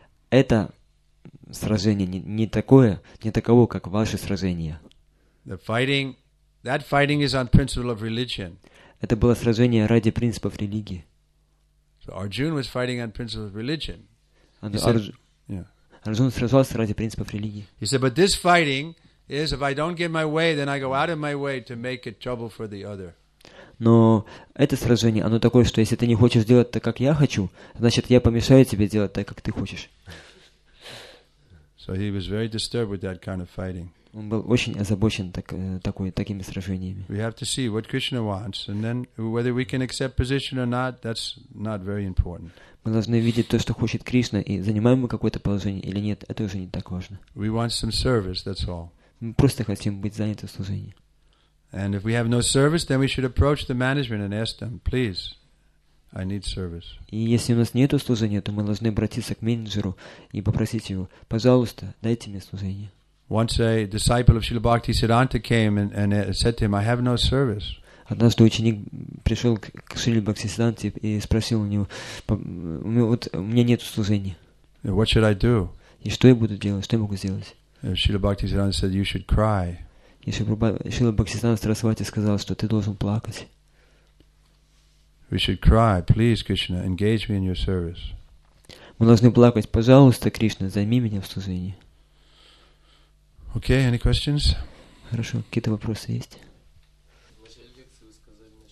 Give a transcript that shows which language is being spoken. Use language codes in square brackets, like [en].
[ru] Это сражение не таково, как ваше сражение. [en] That fighting is on principle of religion. [ru] Это было сражение ради принципов религии. [en] So Arjuna was fighting on principle of religion. [ru] Арджуна сражался ради принципов религии. [en] He said, but this fighting is if I don't get my way, then I go out of my way to make it trouble for the other. [ru] Но это сражение, оно такое, что если ты не хочешь сделать так, как я хочу, значит, я помешаю тебе делать так, как ты хочешь. [en] So he was very disturbed with that kind of fighting. [ru] Он был очень озабочен такими сражениями. [en] We have to see what Krishna wants, and then whether we can accept position or not, that's not very important. [ru] Мы должны видеть то, что хочет Кришна, и занимаем мы какое-то положение или нет, это уже не так важно. [en] We want some service, that's all. [ru] Мы просто хотим быть заняты в служении. [en] And if we have no service, then we should approach the management and ask them, please, I need service. [ru] И если у нас нет служения, то мы должны обратиться к менеджеру и попросить его, пожалуйста, дайте мне служение. [en] Once a disciple of Srila Bhakti Siddhanta came and said to him, I have no service. [ru] Однажды ученик пришел к Шриле Бхакти Сиддханте и спросил у него, вот у меня нет служения. [en] What should I do? [ru] И что я буду делать? Что я могу сделать? [en] Srila Bhakti Siddhanta said, "You should cry." [ru] Srila Bhakti Siddhanta Sarasvati сказал, что ты должен плакать. [en] We should cry, please, Krishna, engage me in your service. [ru] Мы должны плакать, пожалуйста, Кришна, займи меня в служении. [en] Okay, any questions? [ru] Хорошо, какие-то вопросы есть? В начале лекции вы сказали,